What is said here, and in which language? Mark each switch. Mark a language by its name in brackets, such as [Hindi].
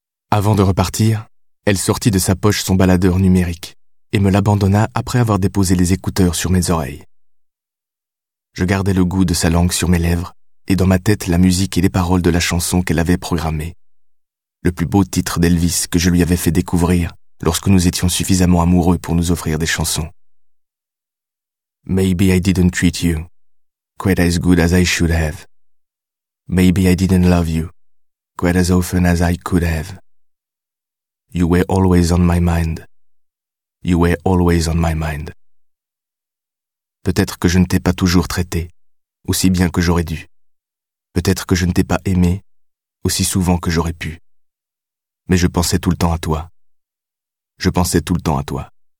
[French] Avant de repartir, elle sortit de sa poche son baladeur numérique et me l'abandonna après avoir déposé les écouteurs sur mes oreilles. Je gardais le goût de sa langue sur mes lèvres et dans ma tête la musique et les paroles de la chanson qu'elle avait programmée. Le plus beau titre d'Elvis que je lui avais fait découvrir lorsque nous étions suffisamment amoureux pour nous offrir des chansons. [English] Maybe I didn't treat you quite as good as I should have. Maybe I didn't love you quite as often as I could have. You were always on my mind. You were always on my mind. [French] Peut-être que je ne t'ai pas toujours traité aussi bien que j'aurais dû. Peut-être que je ne t'ai pas aimé aussi souvent que j'aurais pu. Mais je pensais tout le temps à toi. Je pensais tout le temps à toi.